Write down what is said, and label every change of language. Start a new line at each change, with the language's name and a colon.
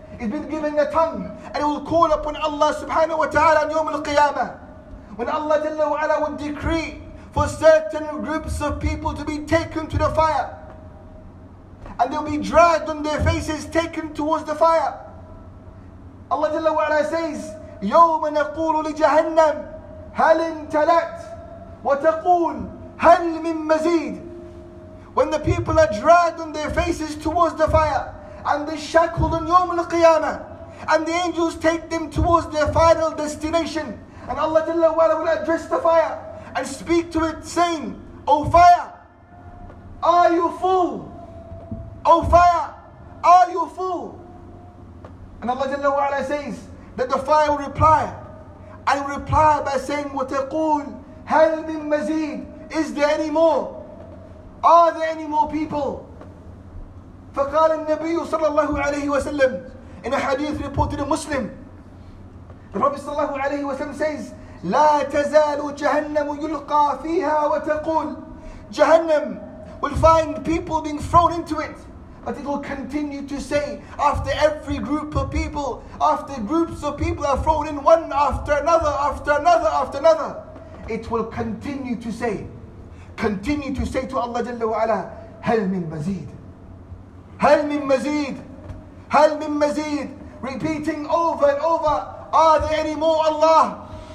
English: It's been given a tongue. And it will call upon Allah subhanahu wa ta'ala on Yawm al-Qiyamah. When Allah Jalla wa Ala would decree for certain groups of people to be taken to the fire. And they'll be dragged on their faces, taken towards the fire.
Arabic: Allah Jalla wa Ala says, يوم نقول لجهنم هل امتلأت وتقول هل من مزيد.
English: When the people are dragged on their faces towards the fire, and they shackled on Yawm al-Qiyamah, and the angels take them towards their final destination, and Allah Jalla wa Ala will address the fire and speak to it saying, O fire, are you full? O fire, are you full? And Allah Jalla wa Ala says that the fire will reply, and will reply by saying,
Arabic: وَتَقُولْ هَلْ مِنْ مَزِيدْ.
English: Is there any more? Are there any more people?
Arabic: فقال النبي صلى الله عليه وسلم,
English: in a hadith reported in Muslim, the Prophet
Arabic: صلى الله عليه وسلم says, لا تزال جهنم يلقى فيها وتقول.
English: Jahannam will find people being thrown into it, but it will continue to say, after every group of people, after groups of people are thrown in one after another, after another, after another, it will continue to say. Continue to say to Allah Jalla wa Ala,
Arabic: هل من مزيد؟ هل من مزيد؟
English: هل من مزيد؟ Repeating over and over, are there any more Allah?